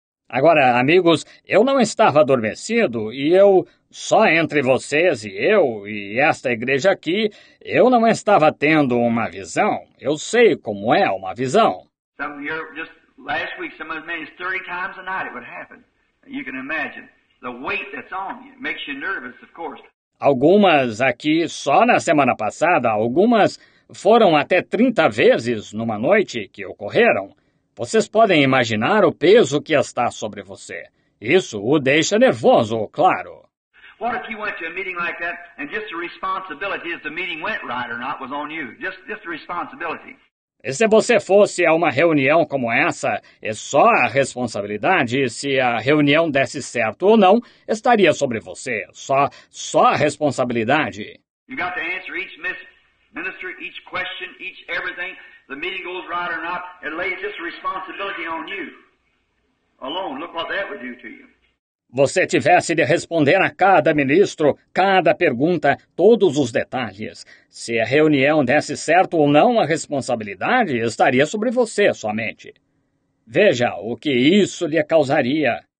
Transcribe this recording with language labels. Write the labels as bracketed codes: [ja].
[pt] Agora, amigos, eu não estava adormecido e eu, só entre vocês e eu e esta igreja aqui, eu não estava tendo uma visão. Eu sei como é uma visão. [en] Some of you, just last week, some as many as 30 times a night it would happen. You can imagine the weight that's on you. It makes you nervous, of course. [pt] Algumas aqui, só na semana passada, algumas foram até 30 vezes numa noite que ocorreram. Vocês podem imaginar o peso que está sobre você. Isso o deixa nervoso, claro. [en] What if you went to a meeting like that and just the responsibility if the meeting went right or not was on you? Just the responsibility. [pt] E se você fosse a uma reunião como essa, e só a responsabilidade se a reunião desse certo ou não estaria sobre você? Só a responsabilidade. [en] You got to answer each minister, each question, each everything. The meeting goes right or not, it lays this responsibility on you. Alone, look what that would do to you. [pt] Você tivesse de responder a cada ministro, cada pergunta, todos os detalhes. Se a reunião desse certo ou não, a responsabilidade estaria sobre você somente. Veja o que isso lhe causaria.